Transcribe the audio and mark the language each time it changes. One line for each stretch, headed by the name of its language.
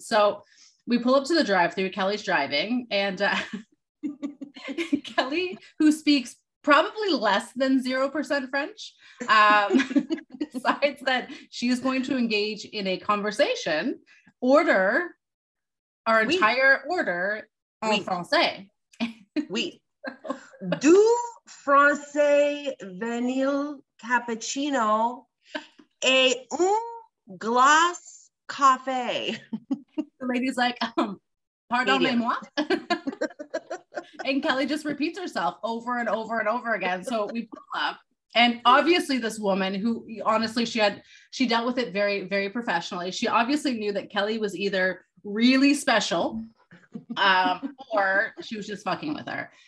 English: So we pull up to the drive-thru, Kelly's driving, and Kelly, who speaks probably less than 0% French, decides that she is going to engage in a conversation, order our entire order
French: en français. Du français vanille cappuccino et un glace café.
English: The lady's like, pardon me,
French: moi?
English: And Kelly just repeats herself over and over and over again. So we pull up. And obviously this woman who, honestly, she dealt with it very, very professionally. She obviously knew that Kelly was either really special or she was just fucking with her.